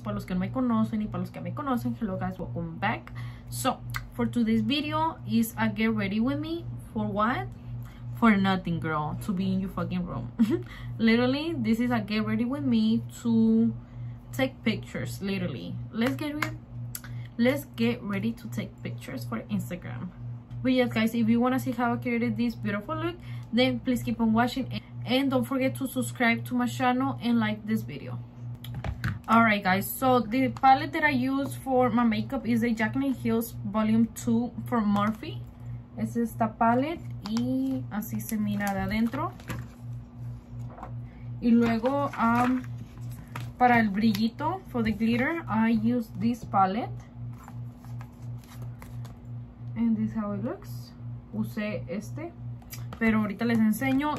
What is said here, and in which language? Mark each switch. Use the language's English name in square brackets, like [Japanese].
[Spanish] Para los que no me conocen y para los que me conocen, [English] hello guys, welcome back. So, for today's video is a get ready with me. For what? For nothing, girl. To be in your fucking room. Literally, this is a get ready with me to take pictures, literally. Let's get ready to take pictures for Instagram. But yes guys, if you want to see how I created this beautiful look, then please keep on watching. And don't forget to subscribe to my channel and like this video. All right guys, so the palette that I use for my makeup is a Jaclyn Hill Volume 2 from Morphe. [Spanish] Es esta palette y así se mira de adentro. Y luego para el brillito, [English] for the glitter, I use this palette. And this is how it looks. [Spanish] Usé este. Pero ahorita les enseño.